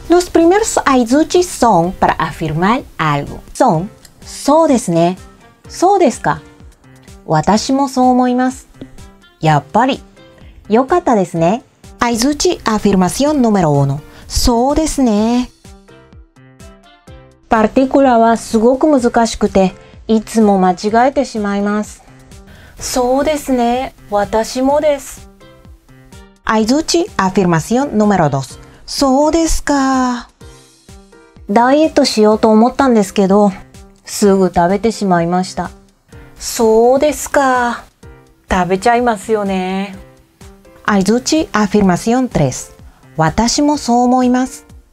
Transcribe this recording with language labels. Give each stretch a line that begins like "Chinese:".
Spanish: Los primeros aizuchi son para afirmar algo. Son
Japanese: そうですね。そうですか。私もそう思います。やっぱり。よかったですね。
Spanish: aizuchi afirmación número 1.
Japanese: そうですね。 Partícula はすごく難しくて、いつも間違えてしまいます。そうですね。私もです。
Spanish: Aizuchi, afirmación número 2.
Japanese: そうですか。ダイエットしようと思ったんですけど、すぐ食べてしまいました。そうですか。食べちゃいますよね。
Spanish: Aizuchi, afirmación 3.
Japanese: 私もそう思います。